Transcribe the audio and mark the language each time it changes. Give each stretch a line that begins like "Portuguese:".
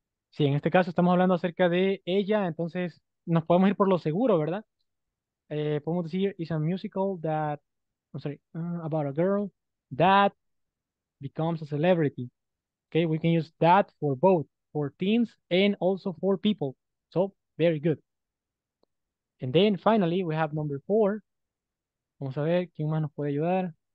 Spanish: Sí, en este caso estamos hablando acerca de ella, entonces nos podemos ir por lo seguro, ¿verdad? Podemos decir,
English: it's a musical that, I'm sorry, about a girl that becomes a celebrity. Okay, we can use that for both, for teams and also for people. So, very good. And then finally, we have number four.
Spanish: Vamos a ver quién más nos puede ayudar.